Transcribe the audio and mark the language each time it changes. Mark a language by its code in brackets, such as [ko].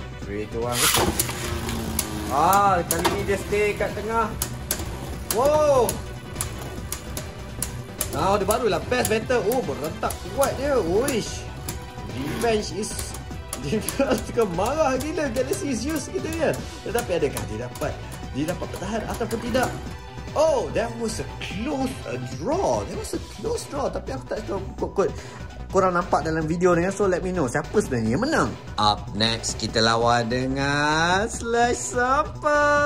[ms] 3, 2, 1. Kali ni dia stay kat tengah. Wow. Now dia barulah best battle. Oh, berentak kuat dia. Uish. Revenge is dia marah gila. Galaxy Zeus kita kan. Tetapi adakah dia dapat bertahan ataupun tidak? [en] Oh, that was a close draw. That was a close draw. [ms] Tapi aku tak tahu kot-kot korang nampak dalam video ni. So let me know siapa sebenarnya yang menang. Up next, kita lawan dengan Slash Sapa.